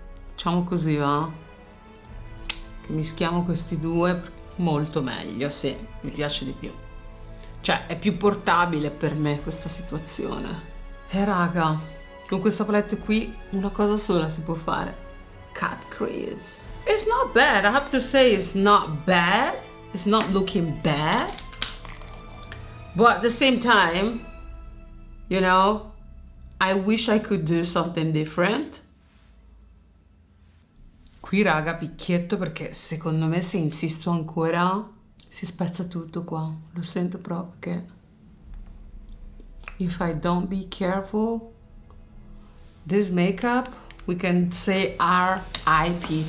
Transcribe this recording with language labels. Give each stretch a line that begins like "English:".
Italian: Facciamo così, va? Che mischiamo questi due. Molto meglio, sì. Mi piace di più. Cioè, è più portabile per me questa situazione. E raga, con questa palette qui, una cosa sola si può fare.
English: Cut crease. It's not bad, I have to say it's not bad. It's not looking bad. But at the same time, you know, I wish I could do something different.
Italian: Qui raga, picchietto, perché secondo me se insisto ancora si spezza tutto qua. Lo sento proprio che...
English: if I don't be careful, this makeup, we can say R.I.P.